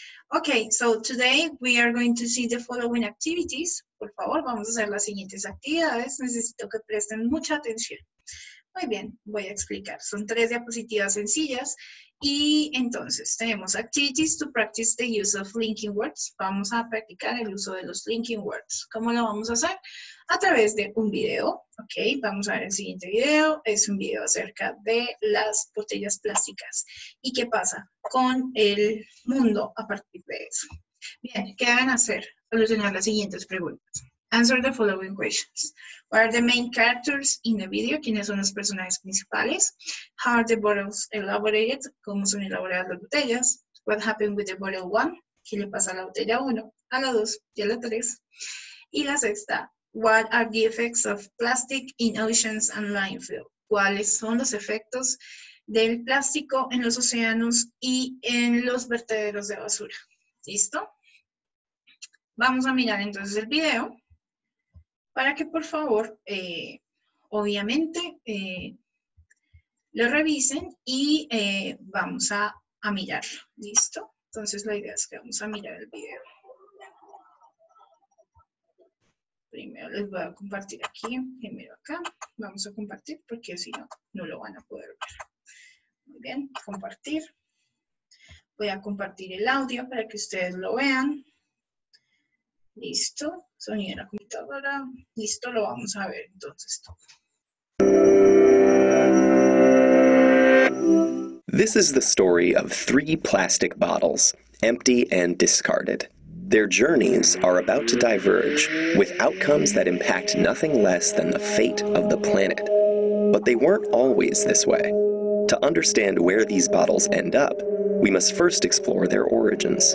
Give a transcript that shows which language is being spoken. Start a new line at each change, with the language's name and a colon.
English: Ok, so today we are going to see the following activities.
Spanish: Por favor, vamos a hacer las siguientes actividades. Necesito que presten mucha atención. Muy bien, voy a explicar. Son tres diapositivas sencillas. Y entonces, tenemos
English: activities to practice the use of linking words.
Spanish: Vamos a practicar el uso de los linking words. ¿Cómo lo vamos a hacer? A través de un video. Ok, vamos a ver el siguiente video. Es un video acerca de las botellas plásticas. ¿Y qué pasa con el mundo a partir de eso? Bien, ¿qué deben hacer? Solucionar las siguientes preguntas.
English: Answer the following questions. What are the main characters in the video?
Spanish: ¿Quiénes son los personajes principales?
English: How are the bottles elaborated?
Spanish: ¿Cómo son elaboradas las botellas?
English: What happened with the bottle one?
Spanish: ¿Qué le pasa a la botella 1, a la 2 y a la 3? Y la sexta.
English: What are the effects of plastic in oceans and landfill?
Spanish: ¿Cuáles son los efectos del plástico en los océanos y en los vertederos de basura? ¿Listo? Vamos a mirar entonces el video. Para que por favor, obviamente, lo revisen y vamos a mirarlo. ¿Listo? Entonces la idea es que vamos a mirar el video. Primero les voy a compartir aquí, primero acá. Vamos a compartir porque si no, no lo van a poder ver. Muy bien, compartir. Voy a compartir el audio para que ustedes lo vean. Listo, sonido de la computadora. Listo, lo vamos a ver entonces todo.
English: This is the story of three plastic bottles, empty and discarded. Their journeys are about to diverge with outcomes that impact nothing less than the fate of the planet. But they weren't always this way. To understand where these bottles end up, we must first explore their origins.